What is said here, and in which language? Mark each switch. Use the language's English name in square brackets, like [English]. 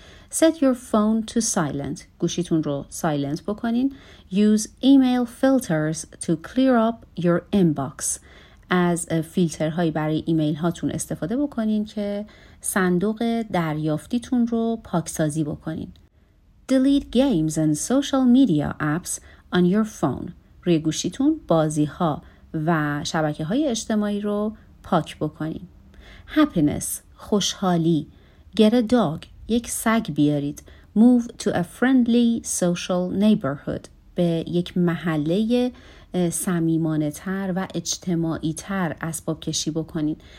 [English] Set your phone to silent. [Persian] گوشیتون رو سایلنت بکنین. [English] Use email filters to clear up your inbox. [Persian] از فیلترهایی برای ایمیل هاتون استفاده بکنین که صندوق دریافتیتون رو پاکسازی بکنین. [English] Delete games and social media apps on your phone. [Persian] روی گوشیتون بازی ها و شبکه های اجتماعی رو پاک بکنین. [English] Happiness, [Persian] خوشحالی. [English] Get a dog, [Persian] یک سگ بیارید. [English] Move to a friendly social neighborhood. [Persian] به یک محله صمیمانه تر و اجتماعی تر اسباب کشی بکنین.